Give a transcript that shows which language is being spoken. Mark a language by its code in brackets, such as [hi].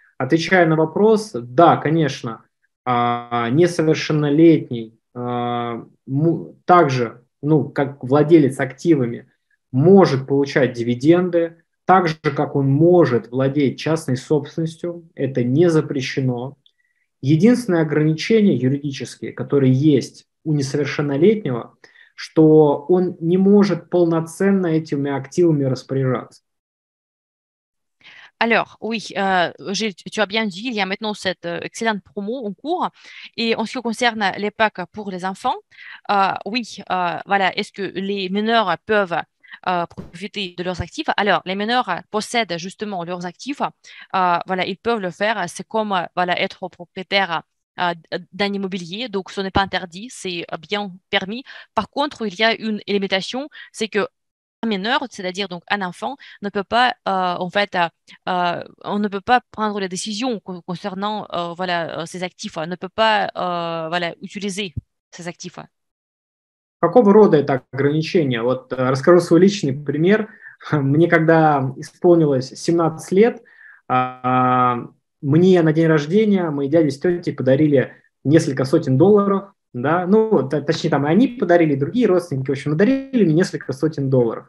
[ru] Отвечая на вопрос, да, конечно, несовершеннолетний также, ну, как владелец активами, может получать дивиденды, так же, как он может владеть частной собственностью, это не запрещено. Единственное ограничение юридическое, которое есть у несовершеннолетнего, что он не может полноценно этими активами распоряжаться. [fr] Alors, oui, Gilles, tu as bien dit, il y a maintenant cette excellente promo en cours. Et en ce qui concerne les packs pour les enfants, voilà, est-ce que les mineurs peuvent profiter de leurs actifs? Alors, les mineurs possèdent justement leurs actifs. Voilà, ils peuvent le faire. C'est comme voilà, être propriétaire d'un immobilier, donc ce n'est pas interdit, c'est bien permis. Par contre, il y a une limitation, c'est que un mineur, c'est-à-dire donc un enfant, ne peut pas, on ne peut pas prendre les décisions concernant voilà ses actifs, ne peut pas voilà utiliser ses actifs. [ru] Какого рода это ограничение? Вот расскажу свой личный пример. Мне когда исполнилось 17 лет, мне на день рождения мои дяди с тетей подарили несколько сотен долларов, да, ну, точнее, там, они подарили, другие родственники, в общем, подарили мне несколько сотен долларов.